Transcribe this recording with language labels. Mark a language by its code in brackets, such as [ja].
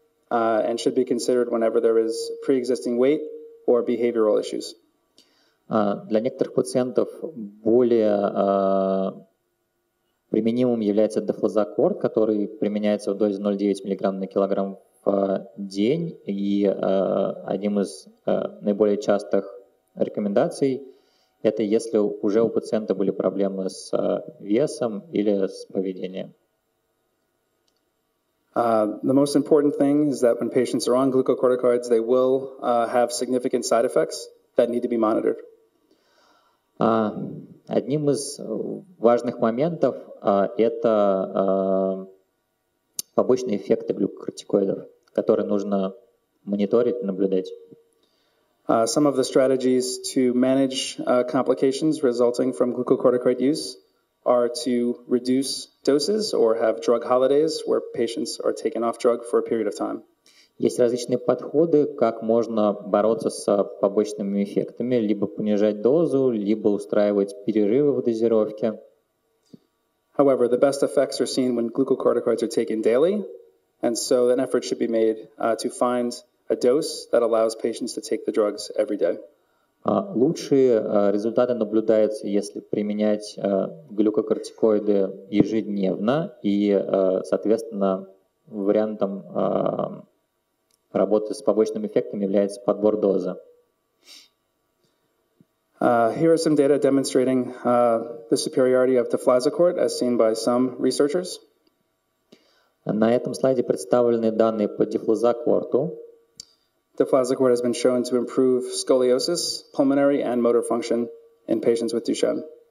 [en] and should be considered whenever there is pre-existing weight or behavioral issues. [ru] Для некоторых пациентов более применимым является дофлазакорд, который применяется в дозе 0,9 мг на килограмм в день, и одним из наиболее частых рекомендаций это если уже у пациента были проблемы с весом или с поведением. [en] The most important thing is that when patients are on glucocorticoids, they will have significant side effects that need to be monitored. [ru] Одним из важных моментов это побочные эффекты глюкокортикоидов, которые нужно мониторить, наблюдать. [en] Some of the strategies to manage complications resulting from glucocorticoid use are to reduce doses or have drug holidays where patients are taken off drug for a period of time. [ru] Есть различные подходы, как можно бороться с побочными эффектами, либо понижать дозу, либо устраивать перерывы в дозировке. [en] However, the best effects are seen when glucocorticoids are taken daily, and so an effort should be made to find a dose that allows patients to take the drugs every day. [ru] Лучшие результаты наблюдаются, если применять глюкокортикоиды ежедневно, и, соответственно, вариантом работы с побочными эффектами является подбор дозы. [en] Here are some data demonstrating the superiority of deflazacort, as seen by some researchers. [ru] На этом слайде представлены данные по дефлазакорту. [en] Deflazacort has been shown to improve scoliosis, pulmonary and motor function in patients with Duchenne.